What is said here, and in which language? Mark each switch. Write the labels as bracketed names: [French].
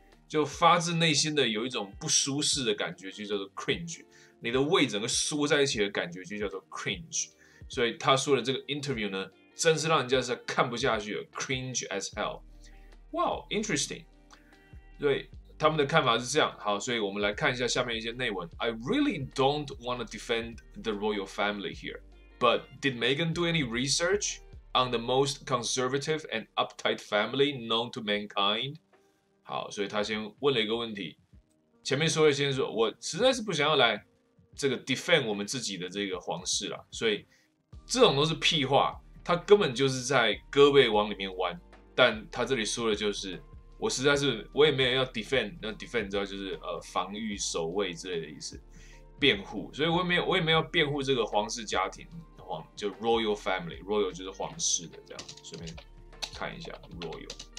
[Chinese] 就发自内心的有一种不舒适的感觉，就叫做 cringe。你的胃整个缩在一起的感觉，就叫做 cringe。所以他说的这个 interview 呢，真是让人家是看不下去了 ， [English] cringe as hell。Wow, interesting。 [Chinese] 对，他们的看法是这样。好，所以我们来看一下下面一些内文。 [English] I really don't want to defend the royal family here, but did Meghan do any research on the most conservative and uptight family known to mankind? [Chinese] 好，所以他先问了一个问题，前面说的先说，我实在是不想要来这个 defend 我们自己的这个皇室啦，所以这种都是屁话，他根本就是在胳膊往里面弯。但他这里说的就是，我实在是我也没有要 defend， 那 defend 知道就是防御守卫之类的意思，辩护，所以我也没有要辩护这个皇室家庭，就 royal family， royal 就是皇室的这样，顺便看一下 royal。